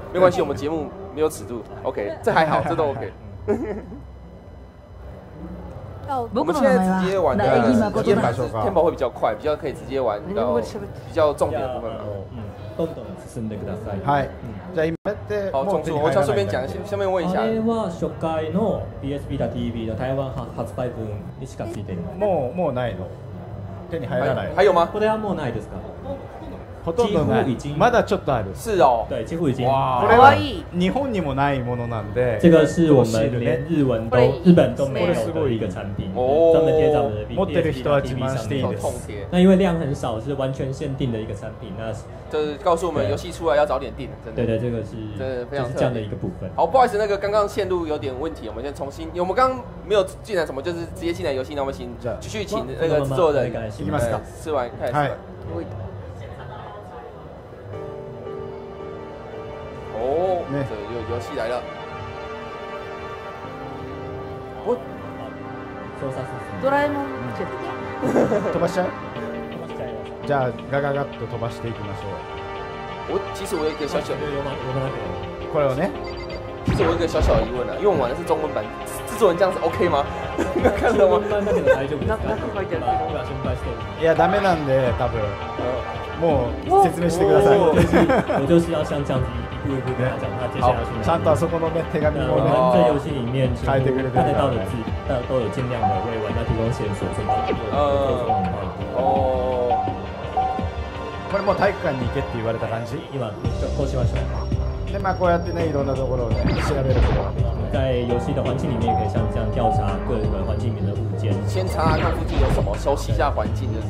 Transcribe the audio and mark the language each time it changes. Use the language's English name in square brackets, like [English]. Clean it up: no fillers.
[Chinese] 没关系，我们节目没有尺度 ，OK， 这还好，这都 OK。我们现在直接玩的，直接摆手法 ，Tempo 会比较快，比较可以直接玩到比较重点的部分。 [Japanese] どんどん進んでください。はい。じゃあ今やって、もう手に入らないか。じゃあ [Chinese] 順便讲一下、下面問一下。 [Japanese] あれは初回の PS Vita TV の台湾発売分にしか付いていない。もうないの。手に入らない。 [Chinese] 还有吗？ [Japanese] これはもうないですか？ほとんどない。まだちょっとある。 [Chinese] 是哦。对，几乎已经。哇。 [Japanese] これは日本にもないものなんで。 [Chinese] 这个是我们连日文都日本都没有的一个产品。哦。专门贴在我们的 PS Vita TV 上面。 [Japanese] 持ってる人は自慢していいです。 [Chinese] 那因为量很少，是完全限定的一个产品。那就是告诉我们游戏出来要早点订，真的。对对，这个是，真的非常就是这样的一个部分。好，不好意思，那个刚刚线路有点问题，我们先重新。我们刚刚没有进来什么，就是直接进来游戏，那我们请继续请那个制作人，吃完开始。哦，这有游戏来了。我，操作是哆啦 A 梦，飞吧，飞吧。 [Japanese] じゃあガガガッと飛ばしていきましょう。 [Chinese] 我其实我有一个小小 [Japanese] これをね。 [Chinese] 其实我有一个小小疑问啊，因为我玩的是中文版，制作人这样是 OK 吗？看到吗？ [Japanese] 中文版だけど大丈夫ですか？なんか書いてある。心配してる。いやダメなんで多分。もう説明してください。 [Chinese] 我就是要像这样子一步一步跟他讲，他接下来什么。好， [Japanese] ちゃんとあそこのね手紙もね。 [Chinese] 在游戏里面 [Japanese] 書いてくれて [Chinese] る。看得到的字，都有尽量的为玩家提供线索，甚至可以沟通。 [Japanese] これも体育館に行けって言われた感じ。今こうしましょう。でまあこうやってねいろんなところをね調べることができる。 [Chinese] 在游戏的环境里面可以像这样调查各个环境里面的物件。先查看附近有什么，熟悉一下环境就是。